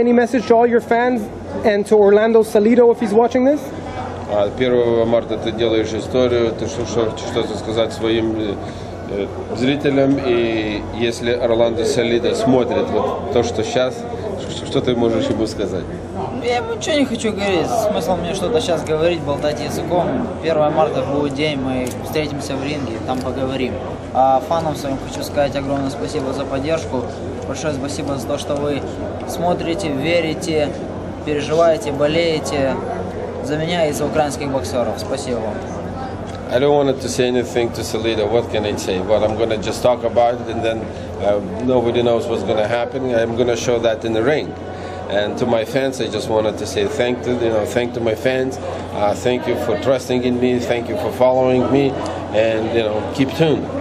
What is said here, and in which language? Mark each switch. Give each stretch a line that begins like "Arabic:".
English: Any message to all your fans and to Orlando Salido if he's watching this?
Russian: 1 марта ты делаешь историю, ты хочешь что-то сказать своим зрителям, и если Орландо Салида смотрит вот то, что сейчас, что ты можешь ему сказать? Я ему ничего не хочу говорить, смысл мне что-то сейчас говорить, болтать языком. 1 марта будет день, мы встретимся в ринге, там поговорим. А фанам своим хочу сказать огромное спасибо за поддержку, большое спасибо за то, что вы смотрите, верите, переживаете, болеете. За меня и за украинских боксеров. Спасибо вам.
English: I don't want to say anything to Salido. What can I say? Well, I'm going to just talk about it, and then nobody knows what's going to happen. I'm going to show that in the ring. And to my fans, I just wanted to say thank to my fans. Thank you for trusting in me. Thank you for following me. And keep tuned.